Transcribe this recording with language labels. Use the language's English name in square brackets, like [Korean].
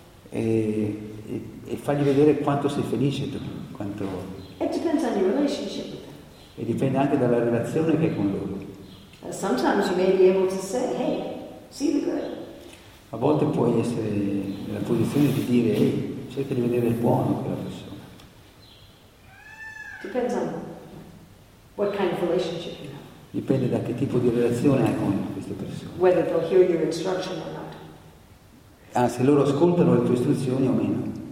[Italian] E fagli vedere quanto sei felice tu, quanto. [English] It depends on your relationship with them. [Italian] E dipende anche dalla relazione che hai con loro. [English] Sometimes you may be able to say, hey, see the good. [Italian] A volte puoi essere nella posizione di dire, hey, cerca di vedere il buono in quella persona. [English] Depends on what kind of relationship you have. [Italian] Dipende da che tipo di relazione hai con queste persone. [English] Whether they'll hear your instruction or not. [Italian] Ah, se loro ascoltano le tue istruzioni o meno.